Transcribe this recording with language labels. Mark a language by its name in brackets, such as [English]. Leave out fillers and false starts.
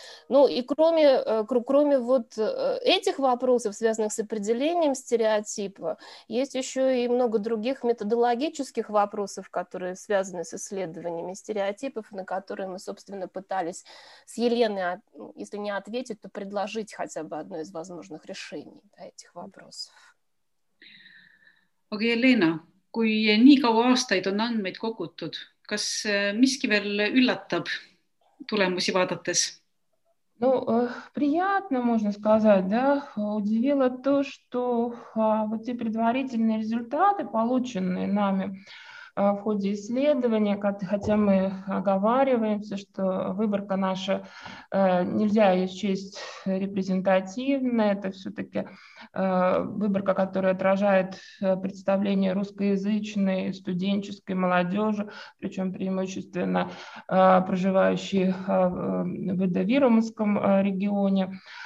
[Russian] Ну и кроме вот этих вопросов, связанных с определением стереотипа, есть еще и много других методологических вопросов, которые связаны с исследованиями стереотипов, на которые мы, собственно, пытались с Еленой, если не ответить, то предложить хотя бы одно из возможных решений для этих вопросов. [Estonian] Okay, Elena, kui nii kaua aastaid on andmeid kogutud, kas miski veel üllatab tulemusi vaadates? [Russian] Ну, приятно, можно сказать, да, удивило то, что вот те предварительные результаты, полученные нами в ходе исследования, хотя мы оговариваемся, что выборка наша, нельзя ее счесть репрезентативной, это все-таки выборка, которая отражает представление русскоязычной, студенческой молодежи, причем преимущественно проживающей в Эдавиромском регионе.